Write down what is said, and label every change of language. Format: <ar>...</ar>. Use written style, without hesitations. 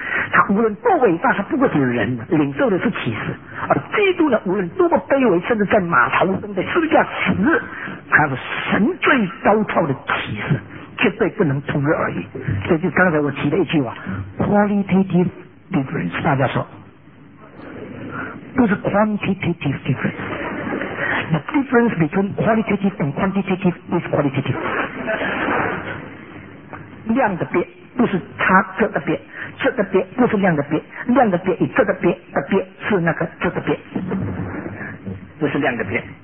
<zh>他无论多伟大，他不过是人，领受的是启示；而基督呢，无论多么卑微，甚至在马槽中的十字架死，他是神最高超的启示，绝对不能同日而语。这就刚才我提了一句话 ：</zh> <en>qualitative difference。</en> <zh>大家说，不是</zh> <en>quantitative difference。 The difference between qualitative and quantitative is qualitative。</en> <zh>量的变不是它这个变，这个变不是量的变，量的变与这个变的变是那个这个变，不是量的变。</zh>